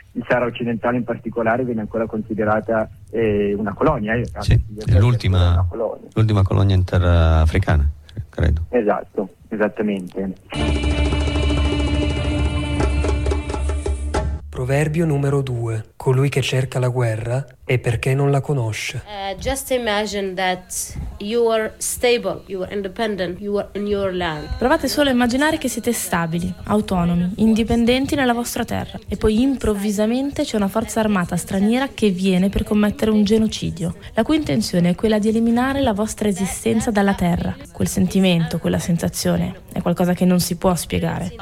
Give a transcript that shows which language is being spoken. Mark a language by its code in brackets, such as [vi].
[it] Il Sahara occidentale in particolare viene ancora considerata una colonia. Sì, è l'ultima colonia interafricana, credo. Esatto, esattamente. Proverbio numero 2. Colui che cerca la guerra è perché non la conosce. [en] Just imagine that you are stable, you are independent, you are in your land. [it] Provate solo a immaginare che siete stabili, autonomi, indipendenti nella vostra terra e poi improvvisamente c'è una forza armata straniera che viene per commettere un genocidio, la cui intenzione è quella di eliminare la vostra esistenza dalla terra. Quel sentimento, quella sensazione è qualcosa che non si può spiegare.